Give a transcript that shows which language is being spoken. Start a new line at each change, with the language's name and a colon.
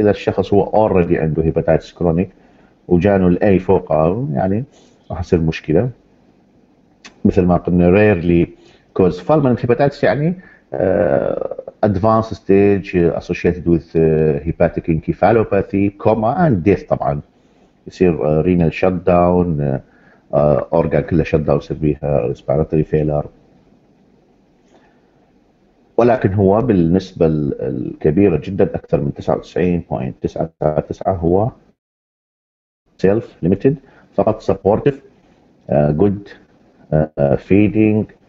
Arabic: إذا الشخص هو already عنده
English: hepatitis chronic
Arabic: وجانه الـ A فوقه يعني راح يصير مشكلة. مثل ما قلنا
English: rarely cause fulminant hepatitis يعني advanced stage associated with hepatic encephalopathy, coma and death طبعا.
Arabic: يصير
English: renal shutdown.
Arabic: أورغان كله شد داون يصير بيها
English: respiratory failure،
Arabic: ولكن هو بالنسبة الكبيرة جدا أكثر من 99.99 هو self limited فقط
English: supportive good feeding.